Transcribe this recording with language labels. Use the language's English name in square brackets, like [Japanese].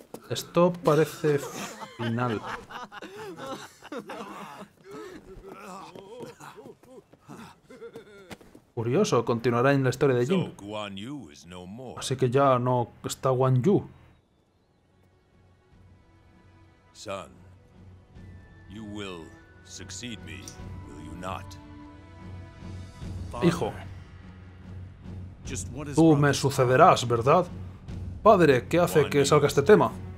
[Spanish] Esto parece final. Curioso, continuará en la historia de Jin. Así que ya no está Guan Yu. [English] Son, you will succeed me, will you not? [Spanish] Hijo, tú me sucederás, ¿verdad? Padre, ¿qué hace que salga este tema?